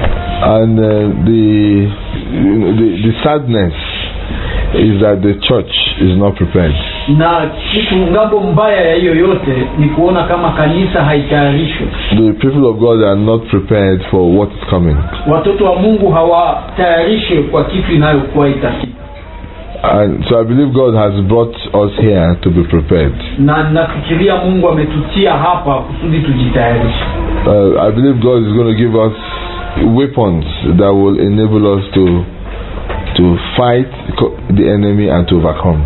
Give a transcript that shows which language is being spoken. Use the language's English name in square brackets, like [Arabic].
[English] And the sadness is that the church is not prepared. [Swahili] Na kitu ngambo mbaya ya hiyo yote ni kuona kama kanisa haitayarishwa. [English] The people of God are not prepared for what is coming. [Swahili] Watoto wa Mungu hawatayarishwe kwa kitu inayokuwa itakuwa. [English] And so I believe God has brought us here to be prepared. [Swahili] Nafikiria Mungu ametutia hapa kusudi tujitayarishe. [English] I believe God is going to give us weapons that will enable us to fight the enemy and to overcome.